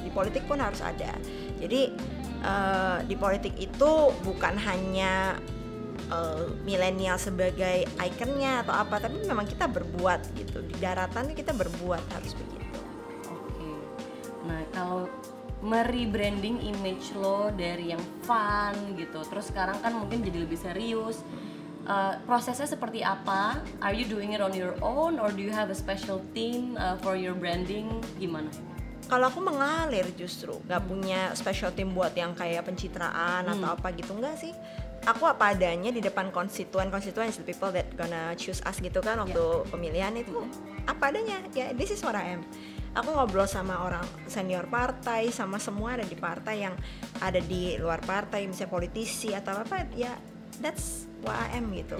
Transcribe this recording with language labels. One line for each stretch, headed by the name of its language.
Indonesian: Di politik pun harus ada. Jadi di politik itu bukan hanya milenial sebagai ikonnya atau apa, tapi memang kita berbuat gitu. Di daratan kita berbuat, harus begitu. Oke. Nah, kalau merebranding image lo dari yang fun gitu, terus sekarang kan mungkin jadi lebih serius. Prosesnya seperti apa?
English: Are you doing it on your own or do you have a special team for your branding?
Indonesian: Gimana? Kalau aku mengalir justru, gak punya special team buat yang kayak pencitraan atau apa gitu, enggak sih. Aku apa adanya di depan konstituen,
English: the people that gonna choose us
Indonesian: gitu kan waktu pemilihan itu. Apa adanya, ya yeah,
English: this is what I am.
Indonesian: Aku ngobrol sama orang senior partai, sama semua ada di partai, yang ada di luar partai, misalnya politisi atau apa, ya
English: that's what I am
Indonesian: gitu.